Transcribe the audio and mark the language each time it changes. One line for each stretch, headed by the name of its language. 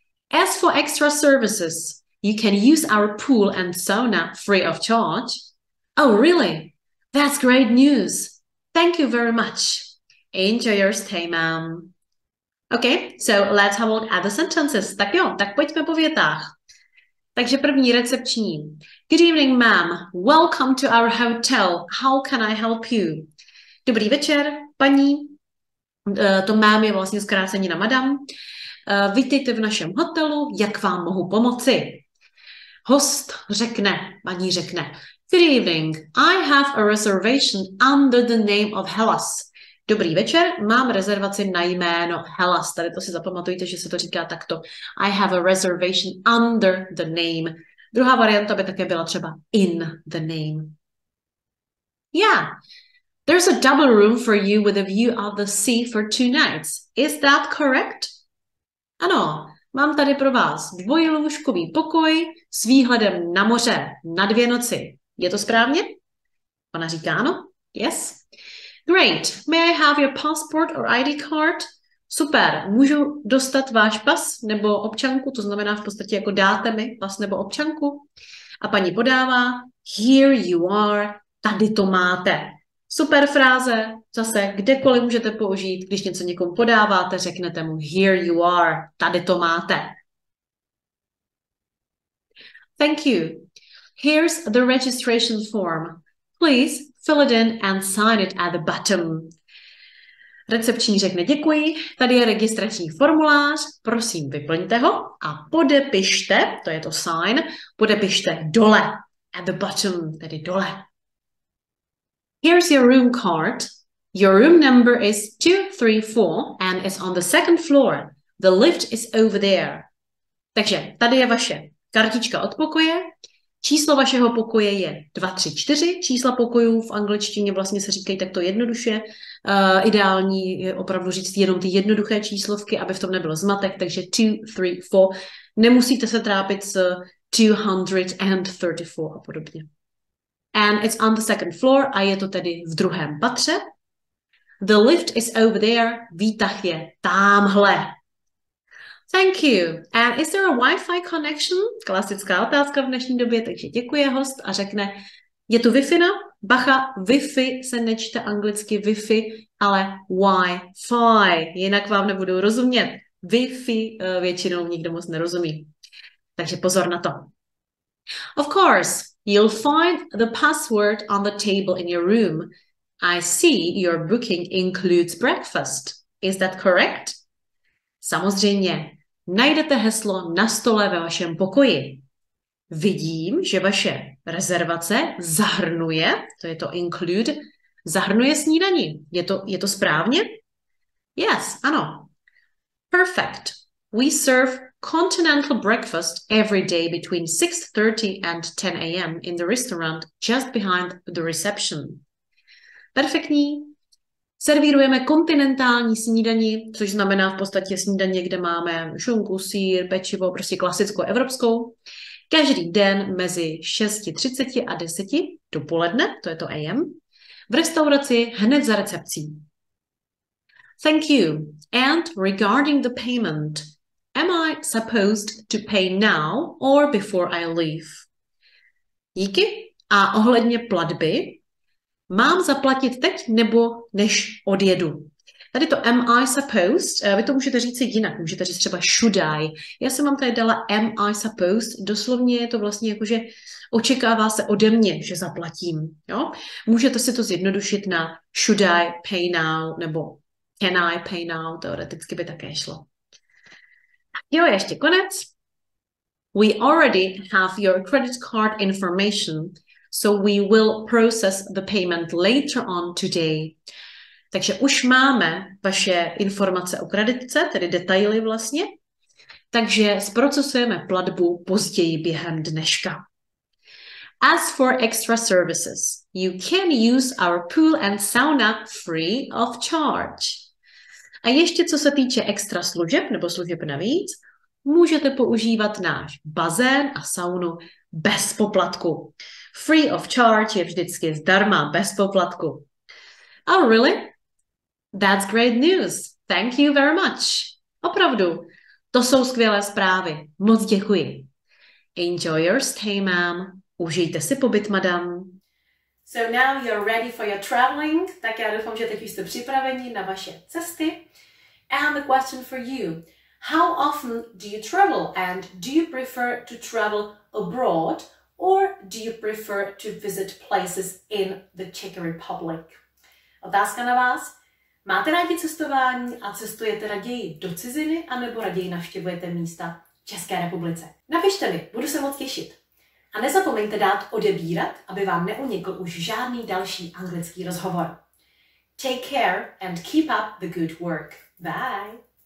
English: As for extra services, you can use our pool and sauna free of charge. Oh, really? That's great news. Thank you very much. Enjoy your stay, ma'am. Okay, so let's have a look at the sentences.
Czech: Tak jo, tak pojďme po větách. Takže první recepční.
English: Good evening, ma'am. Welcome to our hotel. How can I help you?
Czech: Dobrý večer, paní. To mám je vlastně zkrácení na madam. Vítejte v našem hotelu, jak vám mohu pomoci? Host řekne, paní řekne.
English: Good evening, I have a reservation under the name of Hellas.
Czech: Dobrý večer, mám rezervaci na jméno Hellas. Tady to si zapamatujte, že se to říká takto.
English: I have a reservation under the name.
Czech: Druhá varianta by také byla třeba
English: in the name. Yeah. There's a double room for you with a view of the sea for two nights. Is that correct?
Czech: Ano, mám tady pro vás dvojlůžkový pokoj s výhledem na moře na dvě noci. Je to správně? Ona říká ano.
English: Yes. Great. May I have your passport or ID card? Super.
Czech: Můžu dostat váš pas nebo občanku, to znamená v podstatě jako dáte mi pas nebo občanku. A paní podává.
English: Here you are.
Czech: Tady to máte. Super fráze, zase kdekoliv můžete použít, když něco někomu podáváte, řeknete mu
English: here you are,
Czech: tady to máte.
English: Thank you. Here's the registration form. Please fill it in and sign it at the bottom.
Czech: Recepční řekne děkuji, tady je registrační formulář, prosím vyplňte ho a podepište, to je to sign, podepište dole,
English: at the bottom,
Czech: tedy dole.
English: Here's your room card. Your room number is 234 and it's on the second floor. The lift is over there.
Czech: Takže tady je vaše kartička od pokoje. Číslo vašeho pokoje je 234. Čísla pokojů v angličtině vlastně se říkají takto jednoduše. Ideální je opravdu říct jenom ty jednoduché číslovky, aby v tom nebyl zmatek. Takže 234. Nemusíte se trápit s 234 a podobně.
English: And it's on the second floor,
Czech: a je to tedy v druhém patře.
English: The lift is over there,
Czech: výtah je tamhle.
English: Thank you. And is there a Wi-Fi connection?
Czech: Klasická otázka v dnešní době, takže děkuje host a řekne, je tu Wi-Fi na? Bacha, Wi-Fi se nečte anglicky Wi-Fi, ale Wi-Fi, jinak vám nebudu rozumět. Wi-Fi většinou nikdo moc nerozumí. Takže pozor na to.
English: Of course, you'll find the password on the table in your room. I see your booking includes breakfast. Is that correct?
Czech: Samozřejmě, najdete heslo na stole ve vašem pokoji. Vidím, že vaše rezervace zahrnuje, to je to include, zahrnuje snídaní. Je to správně?
English: Yes,
Czech: ano.
English: Perfect. We serve continental breakfast every day between 6:30 and 10 a.m. in the restaurant just behind the reception.
Czech: Perfektní. Servírujeme kontinentální snídaní, což znamená v podstatě snídaně, kde máme šunku, sýr, pečivo, prostě klasickou evropskou. Každý den mezi 6:30 a 10 dopoledne, to je to AM, v restauraci hned za recepcí.
English: Thank you. And regarding the payment, am I supposed to pay now or before I leave?
Czech: Díky. A ohledně platby, mám zaplatit teď nebo než odjedu? Tady to
English: am I supposed,
Czech: vy to můžete říct jinak, můžete říct třeba
English: should I.
Czech: Já jsem vám tady dala
English: am I supposed,
Czech: doslovně je to vlastně jako, že očekává se ode mě, že zaplatím. Jo? Můžete si to zjednodušit na
English: should I pay now
Czech: nebo
English: can I pay now,
Czech: teoreticky by také šlo. Jo, ještě konec.
English: We already have your credit card information, so we will process the payment later on today.
Czech: Takže už máme vaše informace o kreditce, tedy detaily vlastně. Takže zprocesujeme platbu později během dneška.
English: As for extra services, you can use our pool and sauna free of charge.
Czech: A ještě co se týče extra služeb nebo služeb navíc, můžete používat náš bazén a saunu bez poplatku.
English: Free of charge
Czech: je vždycky zdarma, bez poplatku.
English: Oh, really? That's great news. Thank you very much.
Czech: Opravdu, to jsou skvělé zprávy. Moc děkuji.
English: Enjoy your stay, ma'am.
Czech: Užijte si pobyt, madam.
English: So now you're ready for your traveling.
Czech: Tak já doufám, že teď jste připraveni na vaše cesty.
English: And the question for you. How often do you travel and do you prefer to travel abroad or do you prefer to visit places in the Czech Republic?
Czech: Otázka na vás. Máte rádi cestování a cestujete raději do ciziny anebo raději navštěvujete místa v České republice? Napište mi, budu se moc těšit. A nezapomeňte dát odebírat, aby vám neunikl už žádný další anglický rozhovor.
English: Take care and keep up the good work. Bye!